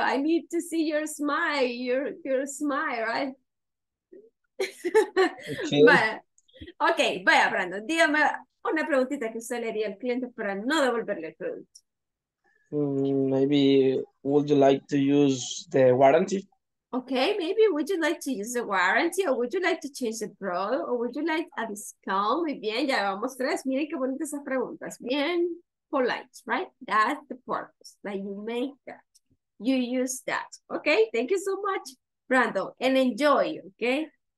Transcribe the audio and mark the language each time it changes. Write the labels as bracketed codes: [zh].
[en] I need to see your smile, your smile, right? Okay, [es] vaya, Brandon, dígame una preguntita que usted le haría al cliente para no devolverle el producto. [en] Maybe, would you like to use the warranty? Okay, maybe, would you like to use the warranty, or would you like to change the product, or would you like a discount? [es] Muy bien, ya vamos tres, miren qué bonitas esas preguntas, bien. [en] Polite, right? That's the purpose that you make that. You use that. Okay, thank you so much, Brando, and enjoy, okay?